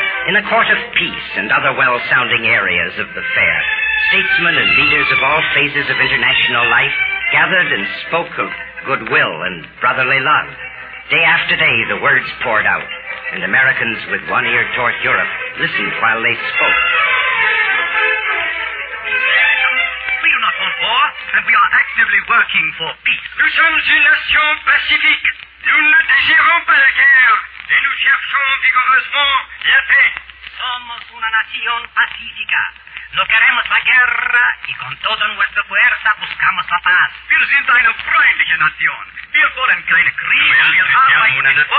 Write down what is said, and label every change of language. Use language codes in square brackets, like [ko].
[en] In a court of peace and other well-sounding areas of the fair, statesmen and leaders of all phases of international life gathered and spoke of goodwill and brotherly love. Day after day, the words poured out, and Americans with one ear toward Europe listened while they spoke. We do not want war, and we are actively working for peace. [fr] Nous sommes une nation pacifique. Nous ne désirons pas la guerre, et nous cherchons vigoureusement la paix. [es] Somos una nación pacífica. No queremos la guerra, y con toda nuestra fuerza buscamos la paz. [de] Wir sind eine freundliche Nation. Wir wollen keine Kriege,